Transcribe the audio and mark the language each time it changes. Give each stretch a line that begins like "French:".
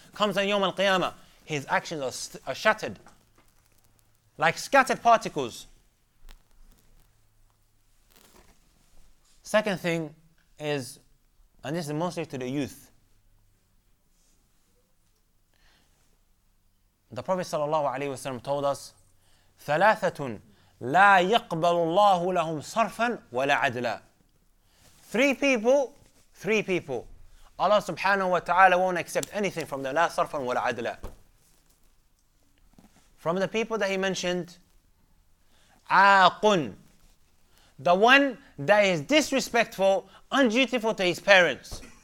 English: Comes on Yawm Al-Qiyamah. His actions are shattered. Like scattered particles. Second thing is, and this is mostly to the youth. The Prophet sallallahu alaihi wasallam told us,
Arabic: ثَلَاثَةٌ لَا يَقْبَلُ اللَّهُ لَهُمْ صَرْفًا وَلَا عَدْلًا.
English: Three people. Allah subhanahu wa ta'ala won't accept anything from them.
Arabic: لَا صَرْفًا وَلَا عَدْلًا.
English: From the people that he mentioned, عَاقٌ. The one that is disrespectful, undutiful to his parents.